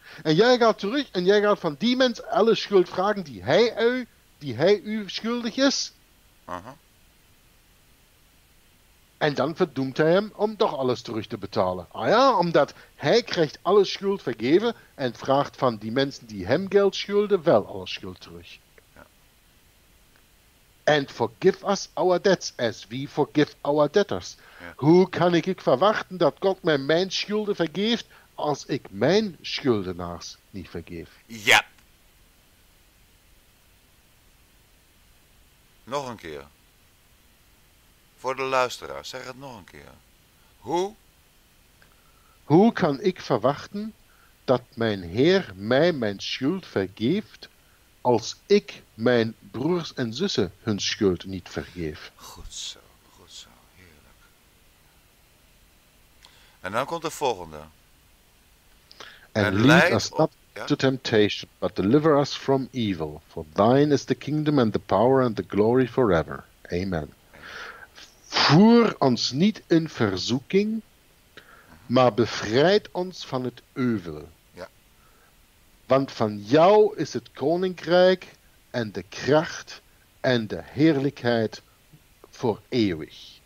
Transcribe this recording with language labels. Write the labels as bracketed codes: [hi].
[nl] En jij gaat terug en jij gaat van die mens alle schuld vragen die hij u schuldig is. Uh-huh. En dan verdoemt hij hem om toch alles terug te betalen. Ah ja, omdat hij krijgt alle schuld vergeven en vraagt van die mensen die hem geld schulden wel alle schuld terug. [en] And forgive us our debts as we forgive our debtors. [nl] Ja. Hoe kan ik verwachten dat God mij mijn schulden vergeeft als ik mijn schuldenaars niet vergeef? Ja. Nog een keer. Voor de luisteraar, zeg het nog een keer. Hoe? Hoe kan ik verwachten dat mijn Heer mij mijn schuld vergeeft als ik mijn broers en zussen hun schuld niet vergeef? Goed zo, heerlijk. En dan komt de volgende. [en] And lead us not to temptation, but deliver us from evil. For thine is the kingdom and the power and the glory forever. Amen. [nl] Voer ons niet in verzoeking, maar bevrijd ons van het euvel. Want van jou is het koninkrijk en de kracht en de heerlijkheid voor eeuwig.